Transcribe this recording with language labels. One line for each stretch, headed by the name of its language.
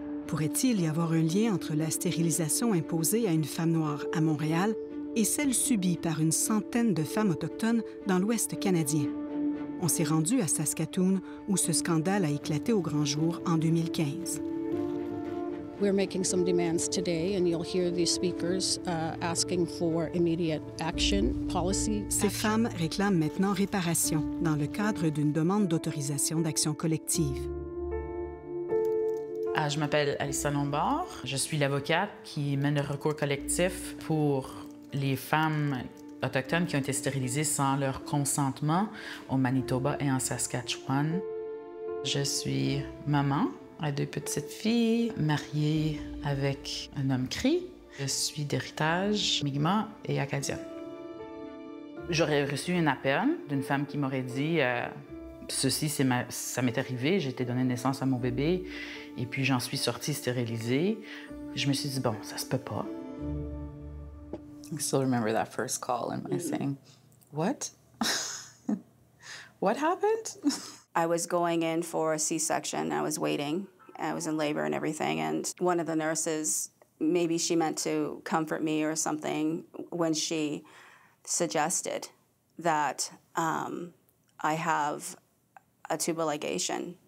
French: Pourrait-il y avoir un lien entre la stérilisation imposée à une femme noire à Montréal et celle subie par une centaine de femmes autochtones dans l'Ouest canadien? On s'est rendu à Saskatoon, où ce scandale a éclaté au grand jour en 2015.
English: We're making some demands today, and you'll hear these speakers asking for immediate action, policy action.
French: Ces femmes réclament maintenant réparation dans le cadre d'une demande d'autorisation d'action collective. Je m'appelle Alyssa Lombard. Je suis l'avocate qui mène le recours collectif pour les femmes autochtones qui ont été stérilisées sans leur consentement au Manitoba et en Saskatchewan. Je suis maman à 2 petites filles, mariée avec un homme Cree. Je suis d'héritage Mi'kmaq et acadienne. J'aurais reçu un appel d'une femme qui m'aurait dit ceci, ça m'est arrivé, j'ai été donné naissance à mon bébé. Et puis j'en suis sortie stérilisée. Je me suis dit, bon, ça se peut pas.
English: I still remember that first call and my saying, what? What happened? I was going in for a C-section. I was waiting. I was in labor and everything. And one of the nurses, maybe she meant to comfort me or something when she suggested that I have a tubal ligation.